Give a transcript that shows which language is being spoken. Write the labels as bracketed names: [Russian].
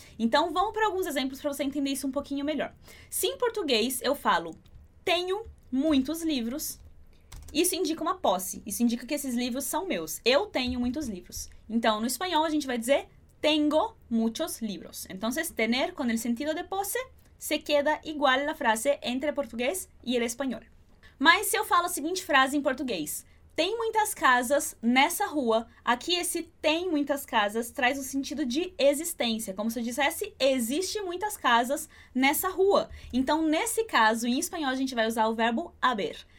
[Portuguese] Então, vamos para alguns exemplos para você entender isso um pouquinho melhor. Se em português eu falo, tenho muitos livros, isso indica uma posse, isso indica que esses livros são meus. Eu tenho muitos livros. Então, no espanhol a gente vai dizer, [Spanish] tengo muchos libros. Então, tener con el sentido de posse se queda igual la frase entre português e el español. [Portuguese] Mas se eu falo a seguinte frase em português, tem muitas casas nessa rua, aqui esse tem muitas casas traz um sentido de existência, como se eu dissesse, existe muitas casas nessa rua. Então, nesse caso, em espanhol, a gente vai usar o verbo haber.